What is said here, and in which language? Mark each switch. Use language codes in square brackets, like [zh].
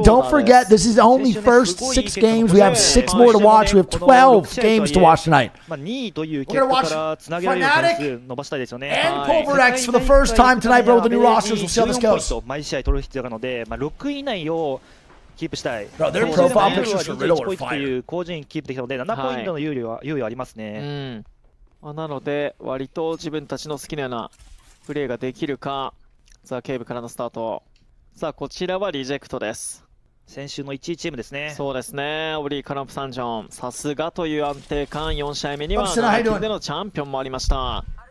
[en] Don't forget, this is only first six games. We have six more to watch. We have 12 games to watch tonight. We're gonna watch Fnatic and Pulverex for the first time tonight, bro. With the new rosters, we'll see how this goes. [ja] 毎試合取る必要なので、まあ六位以内を。キープしたい。 [en] Bro, their profile pictures are riddled with fire. [ja] 個人キープできたので7ポイントの優位は、優位ありますね。うん。なので割と自分たちの好きなようなプレーができるか。ザ・ケーブからのスタート。さあこちらはリジェクトです。先週の1位チームですね。そうですね。オリー・カナプ・サンジョン。さすがという安定感。4試合目には7人でのチャンピオンもありました。